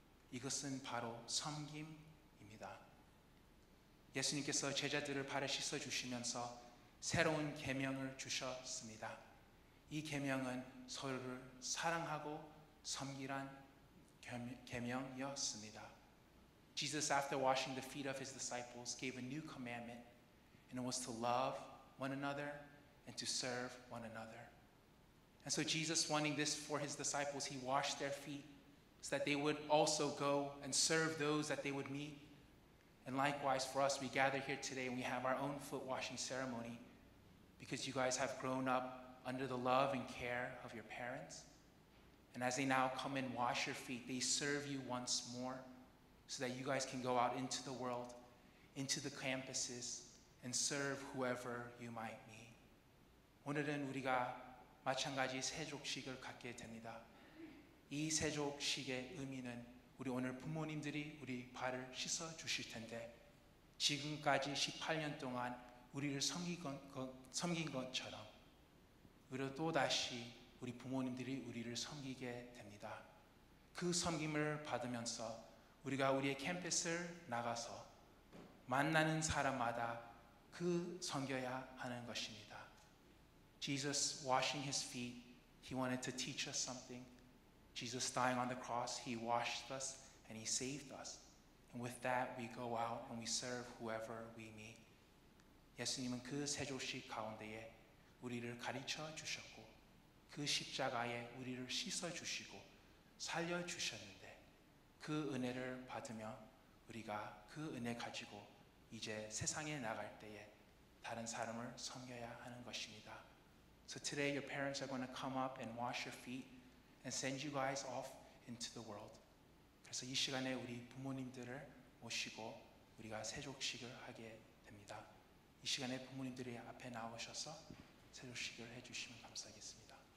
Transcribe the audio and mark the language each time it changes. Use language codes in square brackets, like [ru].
[ko] 이것은 바로 섬김입니다. 예수님께서 제자들을 발을 씻어주시면서 새로운 계명을 주셨습니다. 이 계명은 서로를 사랑하고 섬기란 계명이었습니다. [en] Jesus, after washing the feet of his disciples, gave a new commandment, and it was to love one another and to serve one another. And so Jesus, wanting this for his disciples, he washed their feet so that they would also go and serve those that they would meet. And likewise for us, we gather here today and we have our own foot washing ceremony because you guys have grown up under the love and care of your parents. And as they now come and wash your feet, they serve you once more so that you guys can go out into the world, into the campuses, and serve whoever you might meet. [ko] 오늘은 우리가 마찬가지 세족식을 갖게 됩니다. 이 세족식의 의미는 우리 오늘 부모님들이 우리 발을 씻어 주실 텐데 지금까지 18년 동안 우리를 섬긴 것처럼 우리 또 다시 우리 부모님들이 우리를 섬기게 됩니다. 그 섬김을 받으면서 우리가 우리의 캠퍼스를 나가서 만나는 사람마다 그 섬겨야 하는 것입니다. [en] Jesus washing his feet, he wanted to teach us something. Jesus dying on the cross, he washed us and he saved us. And with that, we go out and we serve whoever we meet. [ko] 예수님은 그 세조식 가운데에 우리를 가르쳐 주셨고 그 십자가에 우리를 씻어 주시고 살려 주셨는데 그 은혜를 받으며 우리가 그 은혜 가지고 이제 세상에 나갈 때에 다른 사람을 섬겨야 하는 것입니다. [en] So today your parents are going to come up and wash your feet and send you guys off into the world. [ko] 그래서 이 시간에 우리 부모님들을 모시고 우리가 세족식을 하게 됩니다. 이 시간에 부모님들이 앞에 나오셔서 세족식을 해주시면 감사하겠습니다.